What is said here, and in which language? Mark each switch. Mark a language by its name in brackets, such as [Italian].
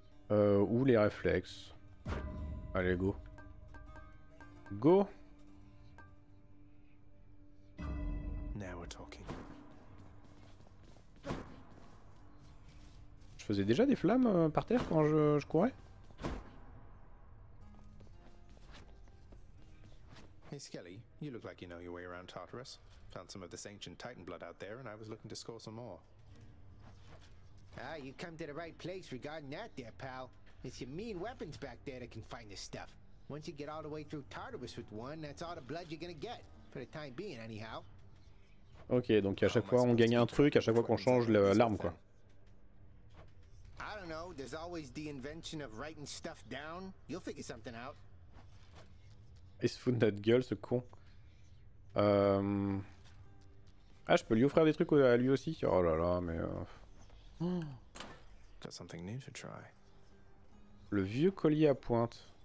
[French] Ou les réflexes. Allez, go. Go. [English] Now we're talking. [French] Je faisait déjà des flammes par terre quand je courais. [English] Hey Skelly, you look like you know your way around Tartarus. Found some of this ancient Titan blood out there and I was looking to score some more. Ah, you come to the right place regarding that there, pal. It's your mean weapons back there that can find this stuff. Once you get all the way through Tartarus with one, that's all the blood you're gonna get. For the time being, anyhow. [French] Ok, donc à chaque fois on gagne un truc, à chaque fois qu'on change l'arme, quoi. [English] I don't know, there's always the invention of writing stuff down. You'll figure something out. [French] Il se fout de notre gueule, ce con. Ah, je peux lui offrir des trucs à lui aussi. Oh là là, mais... [English] Got something new to try. [French] Le vieux collier à pointe.